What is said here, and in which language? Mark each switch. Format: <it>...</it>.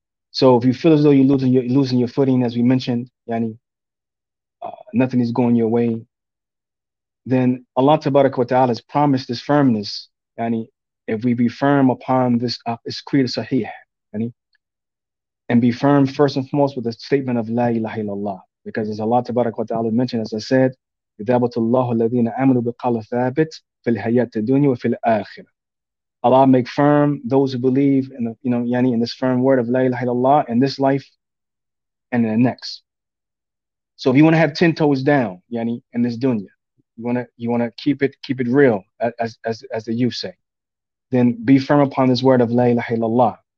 <en>So if you feel as though you're losing your footing, as we mentioned, yani, nothing is going your way, then Allah tabaraka wa ta'ala has promised this firmness, yani, if we be firm upon this creed sahih, yani, and be firm first and foremost with the statement of La ilaha illallah.</en> <ar>Because as Allah tabaraka wa ta'ala mentioned, as I said, يُثَابَتُ اللَّهُ الَّذِينَ آمَنُوا بِقَوْلِ ثَابِتٍ فِي الْحَيَاةِ الدُّنْيَا وَفِي الْآخِرَةِ.</ar> <en>Allah make firm those who believe in the, you know, yani, in this firm word of La ilaha illallah in this life and in the next. So if you want to have 10 toes down, yani, in this dunya, you wanna keep it real, as the youth say, then be firm upon this word of La ilaha illallah.</en>